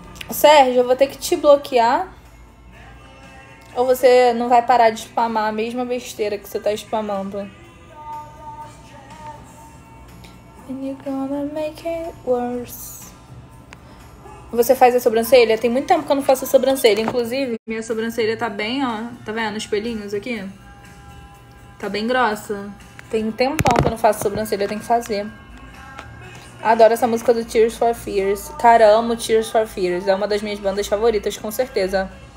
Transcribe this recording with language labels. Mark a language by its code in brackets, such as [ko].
[pt] Sérgio, eu vou ter que te bloquear. Ou você não vai parar de spamar a mesma besteira que você tá spamando? [en] And you're gonna make it worse. [pt] Você faz a sobrancelha? Tem muito tempo que eu não faço a sobrancelha. Inclusive, minha sobrancelha tá bem, ó. Tá vendo os pelinhos aqui? Tá bem grossa. Tem um tempão que eu não faço sobrancelha, eu tenho que fazer. Adoro essa música do Tears for Fears. Cara, amo Tears for Fears. É uma das minhas bandas favoritas, com certeza.